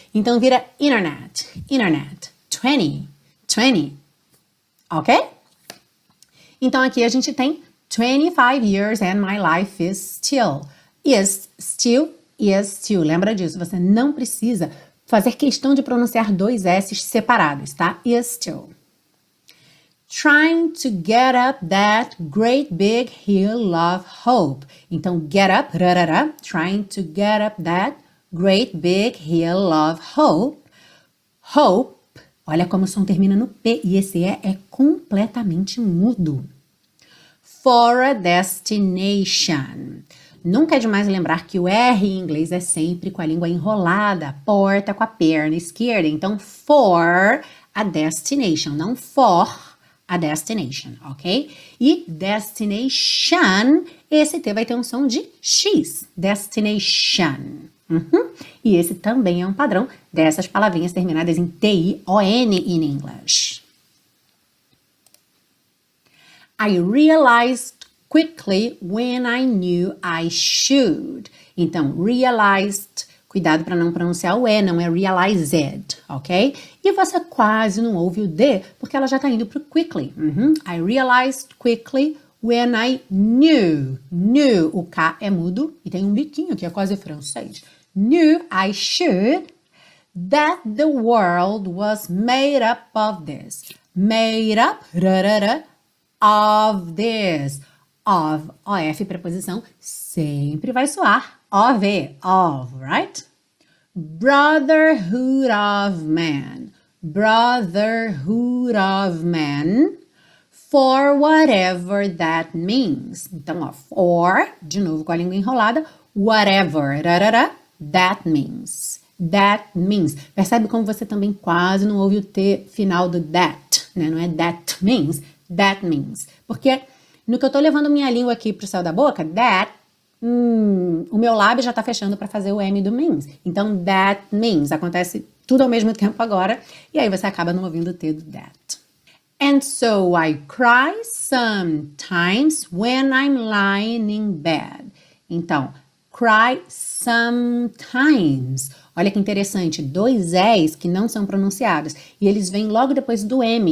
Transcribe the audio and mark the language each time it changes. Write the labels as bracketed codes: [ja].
[pt] Então, vira internet, internet, 20, 20, ok? Então, aqui a gente tem [en] 25 years and my life is still, yes, still. [pt] Lembra disso, você não precisa fazer questão de pronunciar dois S's separados, tá? [en] Yes, still. Trying to get up that great big hill of hope. Então, get up, rarara, trying to get up that great big hill of hope. [pt] Hope, olha como o som termina no P e esse E é completamente mudo. [en] For a destination. [pt] Nunca é demais lembrar que o R em inglês é sempre com a língua enrolada, porta com a perna esquerda. [en] Então, for a destination, não for a destination, ok? [pt] E destination, esse T vai ter um som de X, destination. Uhum. E esse também é um padrão dessas palavrinhas terminadas em T-I-O-N [en] in English. I realized quickly when I knew I should. [pt] Então, realized, cuidado para não pronunciar o E, não é realized, ok? E você quase não ouve o D, porque ela já está indo para o quickly. Uhum. [en] I realized quickly when I knew. [pt] Knew, o K é mudo e tem um biquinho que é quase francês. [en] Knew I should that the world was made up of this. Made up, rarara, of this. [pt] Of, O-F, preposição, sempre vai soar, O-V, of, right? [en] Brotherhood of man, brotherhood of man, for whatever that means. [pt] Então, ó, for, de novo com a língua enrolada, [en] whatever, rarara, that means, that means. [pt] Percebe como você também quase não ouve o T final do that, né? Não é [en] that means, [pt] porque... No que eu tô levando minha língua aqui pro céu da boca, that, o meu lábio já tá fechando para fazer o M do means. Então, [en] that means. [pt] Acontece tudo ao mesmo tempo agora. E aí você acaba não ouvindo o T do that. [en] And so I cry sometimes when I'm lying in bed. [pt] Então, [en] cry sometimes. [pt] Olha que interessante. Dois S que não são pronunciados. E eles vêm logo depois do M.